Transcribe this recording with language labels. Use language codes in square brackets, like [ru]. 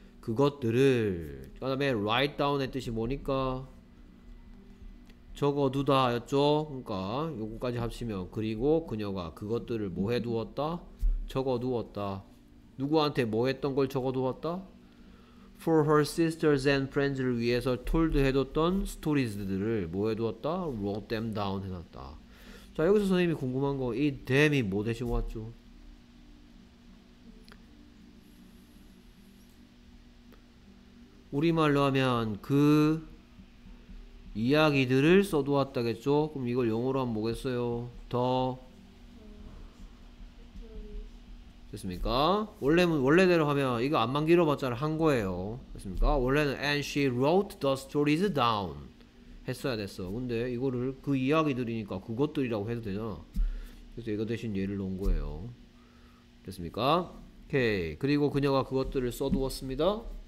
[ko] 그것들을 그다음에 write down의 뜻이 뭐니까 적어두다였죠. 그러니까 요거까지 합치면 그리고 그녀가 그것들을 뭐 해두었다? 적어두었다. 누구한테 뭐 했던 걸 적어두었다? [en] For her sisters and friends를 [ko] 위해서 [en] told [ko] 해뒀던 [en] stories들을 [ko] 뭐 해두었다? [en] wrote them down [ko] 해놨다. 자 여기서 선생님이 궁금한 거이 them이 뭐 대신 왔죠? 우리말로 하면 그 이야기들을 써두었다겠죠? 그럼 이걸 영어로 하면 뭐겠어요? 더 됐습니까? 원래는 원래대로 하면 이거 암만 길어봤자를 한 거예요. 됐습니까? 원래는 [en] and she wrote the stories down [ko] 했어야 됐어. 근데 이거를 그 이야기들이니까 그것들이라고 해도 되잖아. 그래서 이거 대신 얘를 넣은 거예요. 됐습니까? 오케이. 그리고 그녀가 그것들을 써두었습니다.